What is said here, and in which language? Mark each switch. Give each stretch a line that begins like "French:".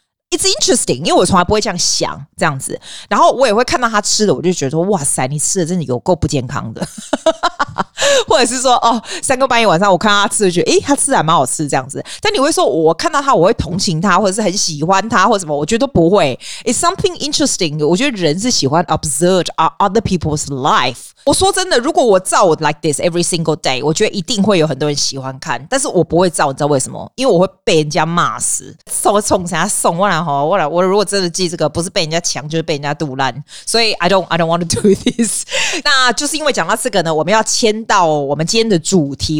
English: It's interesting，
Chinese: 因为我从来不会这样想这样子，然后我也会看到他吃的，我就觉得说，哇塞，你吃的真的有够不健康的，或者是说，哦，三更半夜晚上我看到他吃的，觉得，他吃的还蛮好吃这样子。但你会说，我看到他，我会同情他，或者是很喜欢他，或者什么？我觉得都不会。
English: It's something interesting，
Chinese: 我觉得人是喜欢
English: observe other people's life。
Chinese: 我说真的，如果我照我
English: like this every single day，
Chinese: 我觉得一定会有很多人喜欢看，但是我不会照，你知道为什么？因为我会被人家骂死，送我来哈，我如果真的记这个，不是被人家抢，就是被人家肚烂，所以
English: I don't want to do this。
Chinese: 那就是因为讲到这个呢，我们要牵到我们今天的主题。